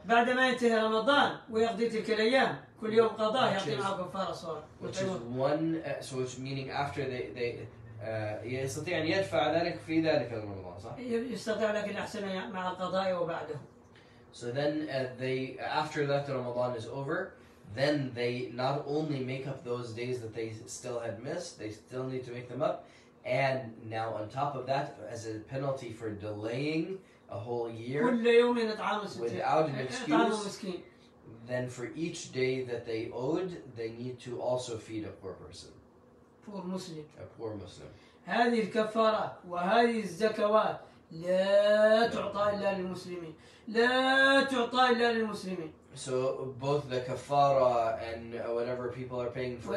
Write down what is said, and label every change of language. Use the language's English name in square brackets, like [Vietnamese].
[Arabic] بعدما ينتهي رمضان ويقضي تلك الأيام كل يوم قضاء يعطي معه كفارة صغرى. [English] Which is one. So it's meaning after they. [Arabic] يستطيع أن يدفع ذلك في ذلك رمضان صح؟ يستطيع لكن أحسن مع القضاء وبعده. [English] So then after that Ramadan is over, then they not only make up those days that they still had missed, they still need to make them up, and now on top of that, as a penalty for delaying a whole year without an excuse, then for each day that they owed, they need to also feed a poor person. Poor Muslim. A poor Muslim. [Arabic] هذه الكفارة وهذه الزكوات لا تعطى إلا للمسلمين. لا تعطى إلا للمسلمين. [English] So both the kafara and whatever people are paying for